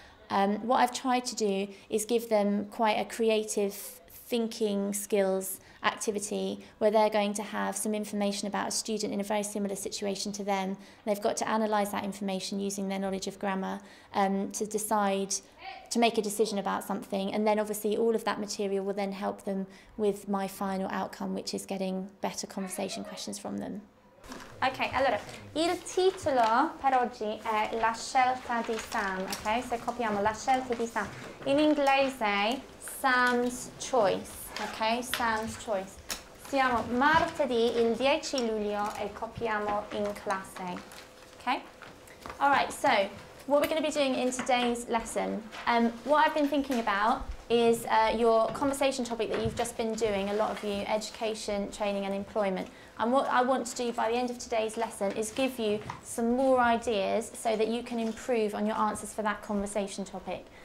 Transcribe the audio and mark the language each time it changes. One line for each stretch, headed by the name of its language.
English: What I've tried to do is give them quite a creative thinking skills activity where they're going to have some information about a student in a very similar situation to them, and they've got to analyse that information using their knowledge of grammar to decide. To make a decision about something, and then obviously all of that material will then help them with my final outcome, which is getting better conversation questions from them.
Italian: Okay, allora, il titolo per oggi è La scelta di Sam, ok? Se copiamo La scelta di Sam. In inglese,
English: Sam's choice, ok? Sam's choice.
Italian: Siamo martedì il 10 luglio e copiamo in classe, ok?
English: All right, so what we're going to be doing in today's lesson, what I've been thinking about is your conversation topic that you've just been doing, a lot of you, education, training and employment. And what I want to do by the end of today's lesson is give you some more ideas so that you can improve on your answers for that conversation topic.